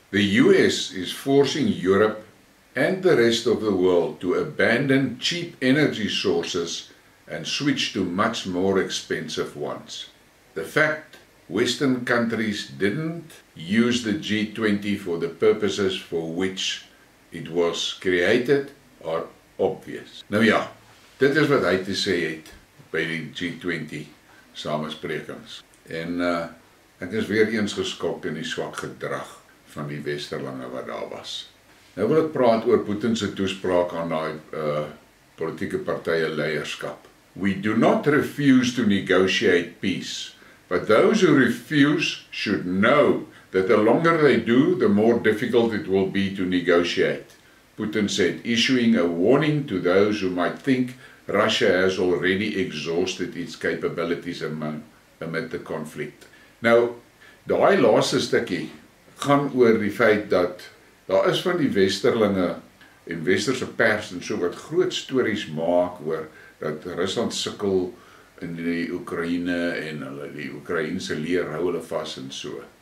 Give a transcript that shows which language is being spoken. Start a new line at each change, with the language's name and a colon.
English: The US is forcing Europe and the rest of the world to abandon cheap energy sources and switch to much more expensive ones. The fact Western countries didn't use the G20 for the purposes for which it was created are obvious."
Afrikaans: Nou ja, dit is wat hy te sê het by die G20 samensprekings. En ek is weer eens geskok in die swak gedrag van die Westerlinge wat daar was. Nou wil ek praat oor Putin se toespraak aan daai politieke partye leierskap.
English: "We do not refuse to negotiate peace, but those who refuse should know that the longer they do, the more difficult it will be to negotiate," Putin said, issuing a warning to those who might think Russia has already exhausted its capabilities amid the conflict.
Afrikaans: Nou, daai laaste stukkie gaan oor die feit dat daar is van die Westerlinge en Westerse pers en so wat groot stories maak oor dat Rusland sukkel in die Oekraïne en hulle die Oekraïense leer hou hulle vas en so.